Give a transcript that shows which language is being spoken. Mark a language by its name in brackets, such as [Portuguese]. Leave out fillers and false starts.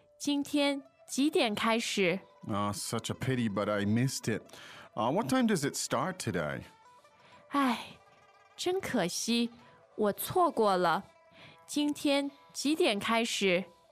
[Chinese] 哎，真可惜，我错过了。今天几点开始? [English] Oh, such a pity, but I missed it. What time does it start today? [Chinese] 哎，真可惜，我错过了。今天几点开始?